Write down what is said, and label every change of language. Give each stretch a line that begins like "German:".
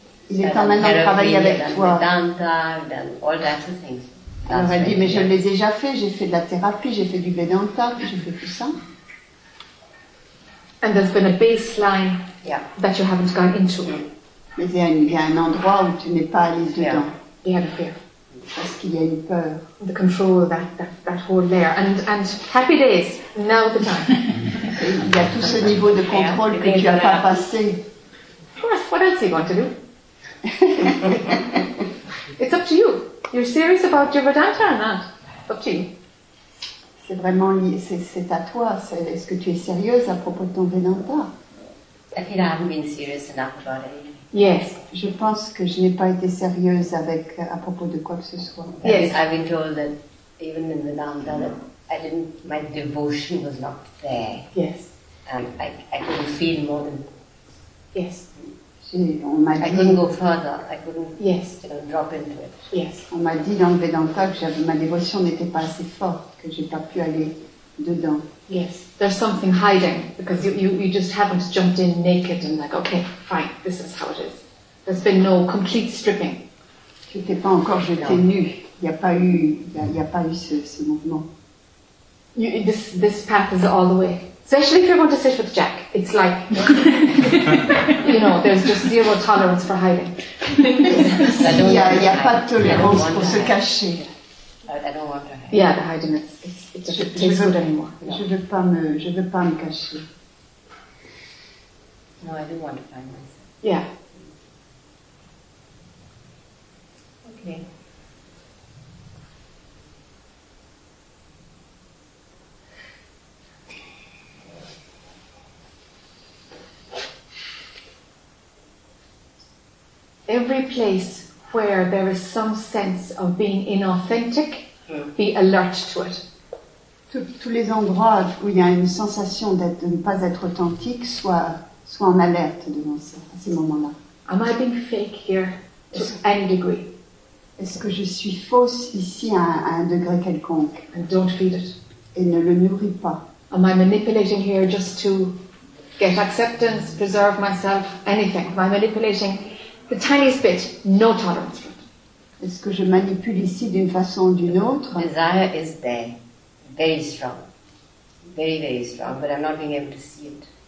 French: Il est temps maintenant de travailler avec toi. Alors elle dit, mais je l'ai déjà fait, j'ai fait de la thérapie, j'ai fait du Vedanta, j'ai fait tout ça.
English: And there's been a baseline that you haven't gone into.
French: Mais il y a un endroit où tu n'es pas allé dedans. Parce qu'il y a une peur.
English: The control, that whole layer. And happy days, now's the time.
French: Il y a tout ce niveau de contrôle que tu n'as pas passé.
English: Of course, what else are you going to do? It's up to you. You're serious about your Vedanta or not? Up to you.
French: C'est vraiment, c'est à toi. Est-ce que tu es sérieuse à propos de ton Vedanta?
English: I think I haven't been serious enough about it. Yes,
French: je pense que je n'ai pas été sérieuse avec à propos de quoi que ce soit.
English: Yes, I've been told that even in Vedanta, that I didn't, my devotion was not there. Yes, I couldn't feel more than. Yes, I couldn't go further. I couldn't. Yes, you know, drop into it. Yes,
French: on m'a dit dans le Vedanta que ma dévotion n'était pas assez forte, que j'ai pas pu aller dedans.
English: Yes, there's something hiding because you just haven't jumped in naked and like, okay, fine, this is how it is. There's been no complete stripping.
French: Tu t'es pas encore jeté nu. Il y a pas eu ce mouvement.
English: This path is all the way. Especially if you're going to sit with Jack, it's like, you know, there's just zero tolerance for hiding.
French: Il y a pas de tolérance pour se cacher.
English: I don't want to hide. Yeah, the hiding is it's just a taste of it anymore.
French: Yeah. Je veux pas me cacher.
English: No, I do want to find myself. Yeah. Okay. Every place where there is some sense of being inauthentic, be alert to it.
French: Tous les endroits où il y a une sensation de ne pas être authentique, soit en alerte devant ça, à ces moments-là.
English: Am I being fake here to any degree?
French: Est-ce que je suis fausse ici à un degré quelconque?
English: And don't feed it.
French: Et ne le nourris pas.
English: Am I manipulating here just to get acceptance, preserve myself, anything? Am I manipulating the tiniest bit, no tolerance for it?
French: Est-ce que je manipule ici d'une façon ou d'une autre?
English: Desire is there, very strong, very very strong, but I'm not being able to see it.